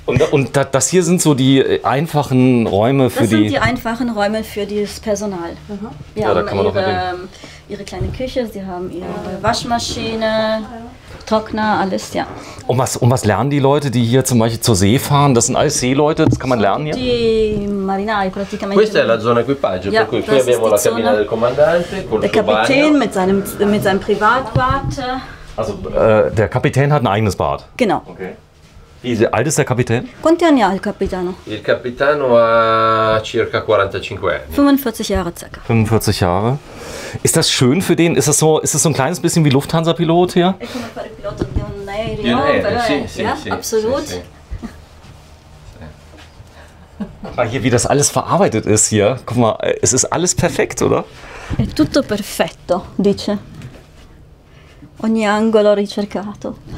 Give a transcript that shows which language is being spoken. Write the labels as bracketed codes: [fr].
[de] Und das hier sind so die einfachen Räume für das sind die einfachen Räume für das Personal. Mhm. Ja, da kann man ihre, ihre kleine Küche, sie haben ihre Waschmaschine, Trockner, alles, ja. Und was lernen die Leute, die hier zum Beispiel zur See fahren? Das sind alles Seeleute, das kann man lernen hier? [it] Die Marinai, praticamente. Questa è la zona equipaggio, per cui qui abbiamo la cabina del comandante, [de] der Kapitän mit seinem Privatbad. Also, der Kapitän hat ein eigenes Bad? Genau. Okay. Wie alt ist der Kapitän? [it] Quanti anni ha il capitano? Il capitano ha circa 45 anni. [de] 45 Jahre circa. 45 Jahre. Ist das schön für den? Ist das so ein kleines bisschen wie Lufthansa-Pilot hier? Ich bin ein Pilot, aereo, ja, absolut. Guck mal hier, wie das alles verarbeitet ist hier. Guck mal, es ist alles perfekt, oder? [it] È tutto perfetto, dice. Ogni angolo ricercato.